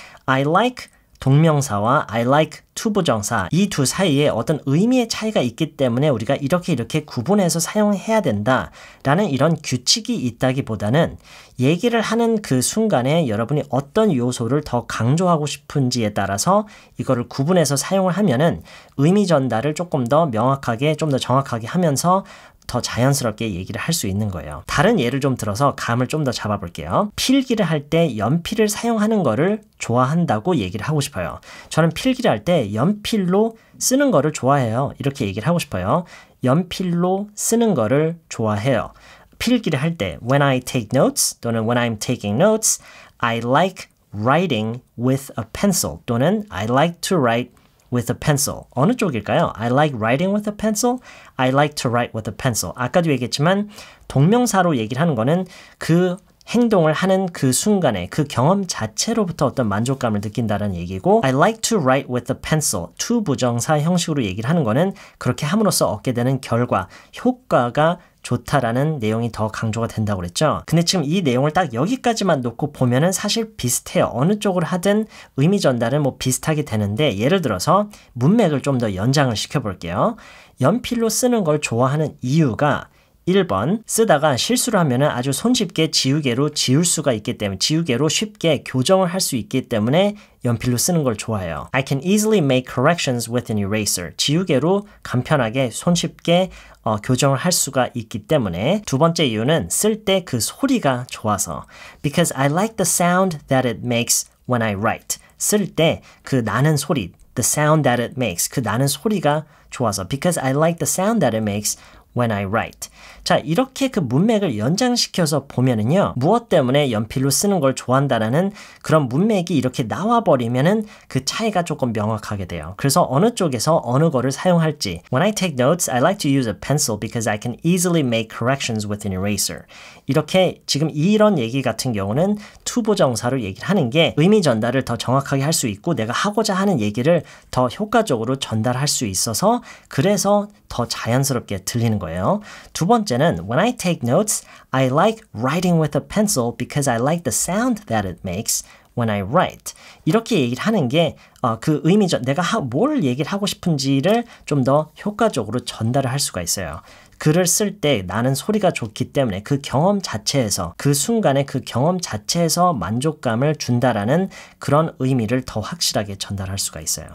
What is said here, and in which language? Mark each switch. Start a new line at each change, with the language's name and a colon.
Korean: I like 동명사와 I like 투부정사 이 두 사이에 어떤 의미의 차이가 있기 때문에 우리가 이렇게 이렇게 구분해서 사용해야 된다라는 이런 규칙이 있다기보다는 얘기를 하는 그 순간에 여러분이 어떤 요소를 더 강조하고 싶은지에 따라서 이거를 구분해서 사용을 하면은 의미 전달을 조금 더 명확하게 좀 더 정확하게 하면서 더 자연스럽게 얘기를 할 수 있는 거예요. 다른 예를 좀 들어서 감을 좀 더 잡아볼게요. 필기를 할 때 연필을 사용하는 거를 좋아한다고 얘기를 하고 싶어요. 저는 필기를 할 때 연필로 쓰는 거를 좋아해요. 이렇게 얘기를 하고 싶어요. 연필로 쓰는 거를 좋아해요. 필기를 할 때
English: when I take notes
Korean: 또는
English: when I'm taking notes I like writing with a pencil 또는 I like to write with a pencil.
Korean: 어느 쪽일까요?
English: I like writing with a pencil. I like to write with a pencil.
Korean: 아까도 얘기했지만 동명사로 얘기를 하는 거는 그 행동을 하는 그 순간에 그 경험 자체로부터 어떤 만족감을 느낀다는 얘기고
English: I like to write with a pencil.
Korean: to 부정사 형식으로 얘기를 하는 거는 그렇게 함으로써 얻게 되는 결과, 효과가 좋다라는 내용이 더 강조가 된다고 그랬죠. 근데 지금 이 내용을 딱 여기까지만 놓고 보면은 사실 비슷해요. 어느 쪽을 하든 의미 전달은 뭐 비슷하게 되는데 예를 들어서 문맥을 좀 더 연장을 시켜볼게요. 연필로 쓰는 걸 좋아하는 이유가 1번 쓰다가 실수를 하면은 아주 손쉽게 지우개로 지울 수가 있기 때문에 지우개로 쉽게 교정을 할 수 있기 때문에 연필로 쓰는 걸 좋아해요.
English: I can easily make corrections with an eraser.
Korean: 지우개로 간편하게 손쉽게 교정을 할 수가 있기 때문에 두 번째 이유는 쓸 때 그 소리가 좋아서
English: Because I like the sound that it makes when I write.
Korean: 쓸 때 그 나는 소리
English: The sound that it makes
Korean: 그 나는 소리가 좋아서
English: Because I like the sound that it makes when I write.
Korean: 자, 이렇게 그 문맥을 연장시켜서 보면은요. 무엇 때문에 연필로 쓰는 걸 좋아한다라는 그런 문맥이 이렇게 나와버리면은 그 차이가 조금 명확하게 돼요. 그래서 어느 쪽에서 어느 거를 사용할지.
English: When I take notes, I like to use a pencil because I can easily make corrections with an eraser.
Korean: 이렇게 지금 이런 얘기 같은 경우는 to 부정사로 얘기를 하는 게 의미 전달을 더 정확하게 할 수 있고 내가 하고자 하는 얘기를 더 효과적으로 전달할 수 있어서 그래서 더 자연스럽게 들리는 거예요. 두 번째는
English: When I take notes, I like writing with a pencil because I like the sound that it makes when I write.
Korean: 이렇게 얘기를 하는 게 그 의미죠. 내가 뭘 얘기를 하고 싶은지를 좀 더 효과적으로 전달을 할 수가 있어요. 글을 쓸 때 나는 소리가 좋기 때문에 그 경험 자체에서, 그 순간에 그 경험 자체에서 만족감을 준다라는 그런 의미를 더 확실하게 전달할 수가 있어요.